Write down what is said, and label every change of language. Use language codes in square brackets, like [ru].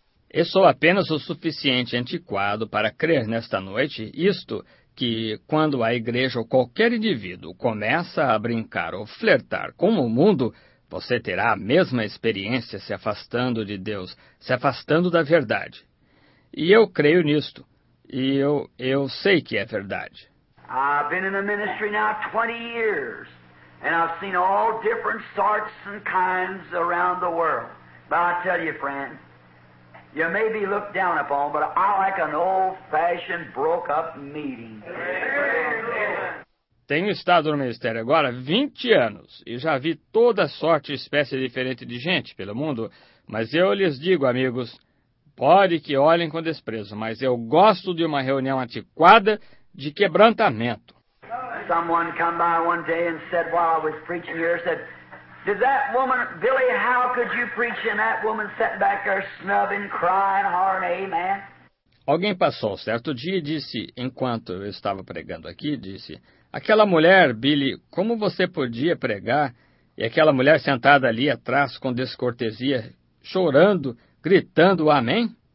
[pt] Eu sou apenas o suficiente antiquado para crer nesta noite isto, que quando a igreja ou qualquer indivíduo começa a brincar ou flertar com o mundo, você terá a mesma experiência se afastando de Deus, se afastando da verdade. E eu creio nisto. E eu sei que é verdade. [en] I've been in the ministry now 20 years, and I've seen all different sorts and kinds around the world. But I tell you, friend, you may be looked down upon, but I like an old-fashioned, broke-up meeting. [pt] Tenho estado no ministério agora 20 anos e já vi toda sorte e espécie diferente de gente pelo mundo. Mas eu lhes digo, amigos, pode que olhem com desprezo, mas eu gosto de uma reunião antiquada de quebrantamento. [en] someone come by one day and said, while I was preaching here, said, did that woman, Billy, how could you preach and that woman sat back there snubbing, crying, hollering, amen? [pt] Alguém passou certo dia e disse, enquanto eu estava pregando aqui, disse, aquela mulher, Billy, como você podia pregar e aquela mulher sentada ali atrás com descortesia, chorando, gritando, amém?